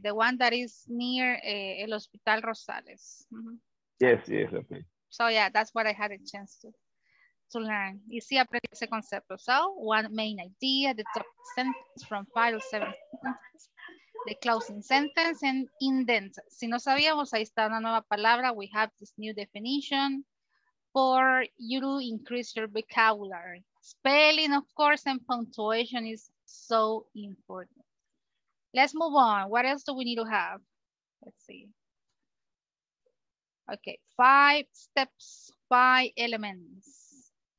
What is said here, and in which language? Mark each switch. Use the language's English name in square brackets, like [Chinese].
[English] The one that is near El Hospital Rosales. Mm-hmm. Yes, yes, okay. So yeah, that's what I had a chance to learn. [Spanish] Y sí, aprendí ese concepto. [English] So one main idea, the top sentence from 5 to 7 sentences, the closing sentence and indent. [Spanish] Si no sabíamos, ahí está una nueva palabra. [English] We have this new definition for you to increase your vocabulary. Spelling, of course, and punctuation is so important. Let's move on. What else do we need to have? Let's see. Okay, 5 steps, 5 elements.